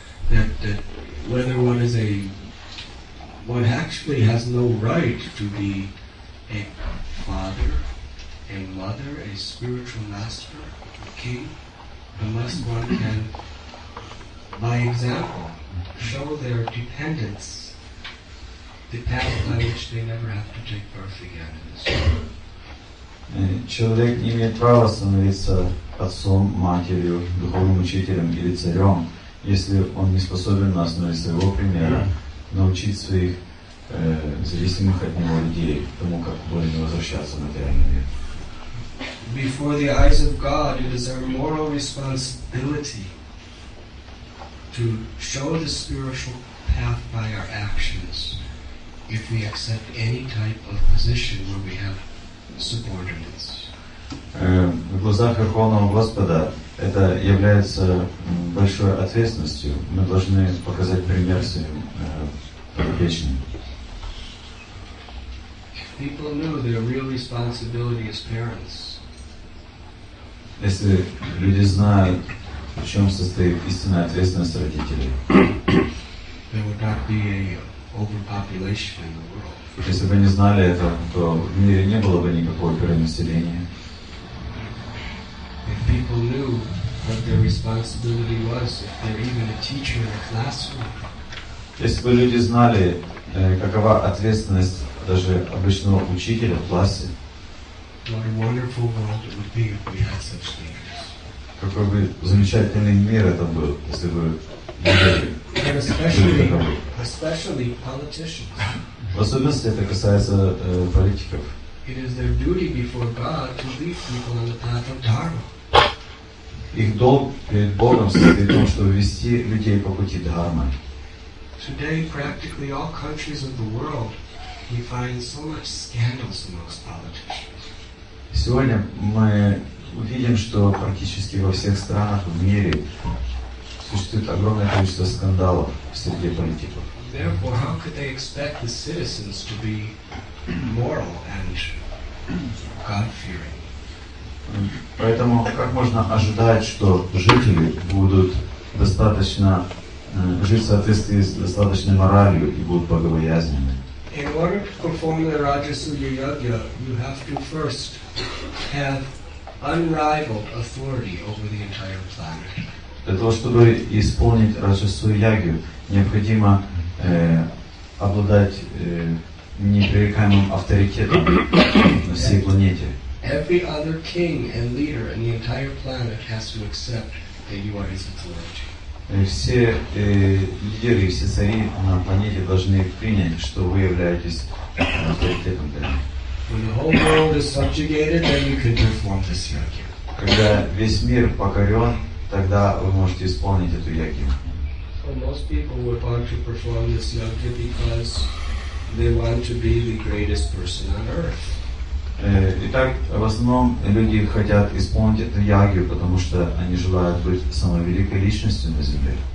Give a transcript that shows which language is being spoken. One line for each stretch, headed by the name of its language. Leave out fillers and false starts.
English: That whether one is a one actually has no right to be a father, a mother, a spiritual master, a king, unless one can, by example, show their dependence, the path by which they never have to take birth again in this world.
Russian: Человек не имеет права становиться отцом, матерью, духовным учителем или царем, если он не способен на основе своего примера научить своих зависимых от него людей тому, как более не возвращаться в материальный мир.
English: Before the eyes of God, it is our moral responsibility to show the spiritual path by our actions if we accept any type of position where we have subordinates.
Russian: В глазах Верховного Господа это является большой ответственностью. Мы должны показать пример своим подопечным.
English: If people knew their real responsibility as parents,
Russian: если люди знают, в чем состоит истинная ответственность родителей,
English: there would not be an overpopulation in the world.
Russian: Если бы они знали это, то в мире не было бы никакого перенаселения.
English: If people knew what their responsibility was, if they're even a teacher in a classroom.
Russian: Если бы люди знали, какова ответственность даже обычного учителя в классе.
English: What a wonderful world it would be if we had such things.
Russian: Какой бы замечательный мир это был, если бы люди.
English: In especially politicians.
Russian: Особенно это касается политиков.
English: It is their duty before God to lead people on the path of Dharma.
Russian: Их долг перед Богом состоит в том, чтобы вести людей по пути Дхармы.
English: Today, practically all countries of the world, we find so much scandals amongst politicians.
Russian: Сегодня мы увидим, что практически во всех странах в мире существует огромное количество скандалов среди политиков.
English: Therefore, how could they expect the citizens to be moral and God-fearing?
Russian: Поэтому как можно ожидать, что жители будут достаточно жить в соответствии с достаточной моралью и будут богобоязненны?
English: In order to perform the Rajasuya Yagya, you have to first have unrivaled authority over the entire planet.
Russian: Для того, чтобы исполнить Раджасу Ягью, необходимо обладать непререкаемым авторитетом на всей планете.
English: Every other king and leader in the entire planet has to accept that you are his authority.
Russian: Все лидеры, все цари на планете должны принять, что вы являетесь авторитетом для них.
English: When the whole world is subjugated, then you can perform this yagya.
Russian: Когда весь мир покорен, тогда вы можете исполнить эту ягью.
English: So most people would want to perform this yagya because they want to be the greatest person on earth.
Russian: Итак, в основном люди хотят исполнить эту ягью, потому что они желают быть самой великой личностью на Земле.